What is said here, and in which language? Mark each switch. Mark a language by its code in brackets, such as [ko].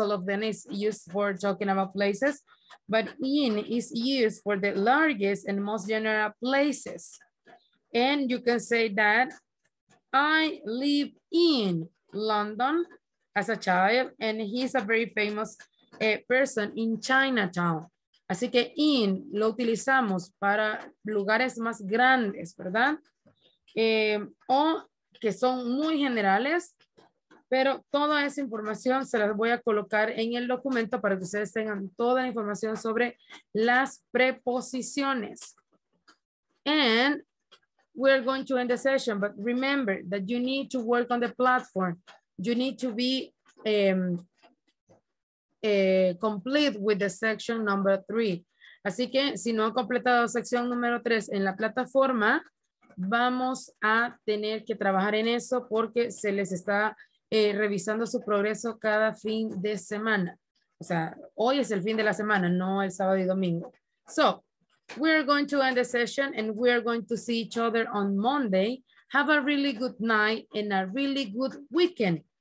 [en] All of them is used for talking about places, but in is used for the largest and most general places. And you can say that I live in London as a child, and he's a very famous person in Chinatown. [es] Así que in lo utilizamos para lugares más grandes, ¿verdad? O que son muy generales, pero toda esa información se las voy a colocar en el documento para que ustedes tengan toda la información sobre las preposiciones. [en] And we're going to end the session, but remember that you need to work on the platform. You need to be complete with the section number 3. [es] Así que si no han completado sección número 3 en la plataforma, vamos a tener que trabajar en eso porque se les está revisando su progreso cada fin de semana. O sea, hoy es el fin de la semana, no el sábado y domingo. [en] So, we're going to end the session and we're going to see each other on Monday. Have a really good night and a really good weekend.